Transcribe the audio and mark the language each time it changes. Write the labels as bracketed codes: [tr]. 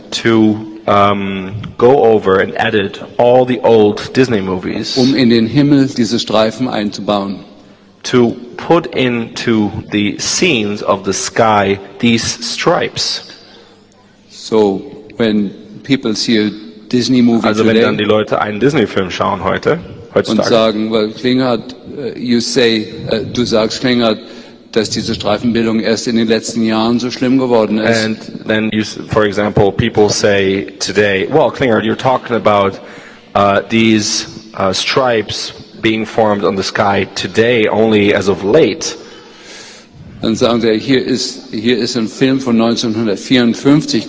[en] To go over and edit all the old Disney movies. [de] In den Himmel diese Streifen einzubauen. [en] To put into the scenes of the sky these stripes. So when people see a Disney movie also today, [de] wenn dann die Leute einen Disney Film schauen heute. Und sagen, weil Klingert, [en] you say, [de] du sagst Klingert, dass diese Streifenbildung erst in den letzten Jahren so schlimm geworden ist. [en] And then, you, for example, people say today, well, Klingert, you're talking about these stripes being formed on the sky today, only as of late. [de] Dann sagen sie, hier ist ein Film von 1954.